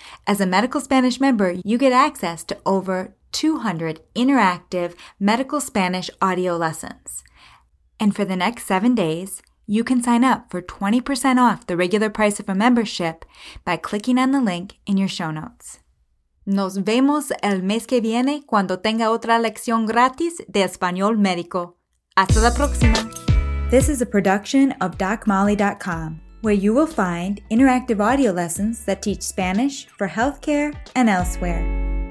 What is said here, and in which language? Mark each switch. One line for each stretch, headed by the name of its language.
English: As a Medical Spanish member, you get access to over 200 interactive Medical Spanish audio lessons. And for the next 7 days, you can sign up for 20% off the regular price of a membership by clicking on the link in your show notes.
Spanish: Nos vemos el mes que viene cuando tenga otra lección gratis de español médico. Hasta la próxima.
English: This is a production of DocMolly.com, where you will find interactive audio lessons that teach Spanish for healthcare and elsewhere.